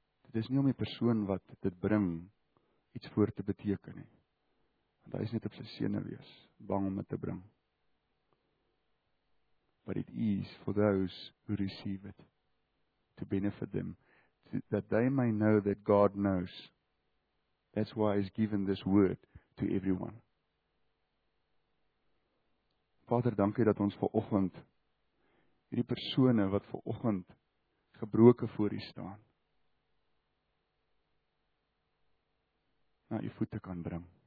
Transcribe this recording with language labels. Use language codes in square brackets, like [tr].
[af] Dit is nie om die persoon wat dit bring iets voor te beteken nie. Hy is net op sy sene wees, bang om dit te bring. [en] But it is for those who receive it, to benefit them, that they may know that God knows. That's why he's given this word to everyone. [af] Vader, dankie dat ons vanoggend, hierdie persone wat vanoggend gebroke voor u staan, na u voete kan bring.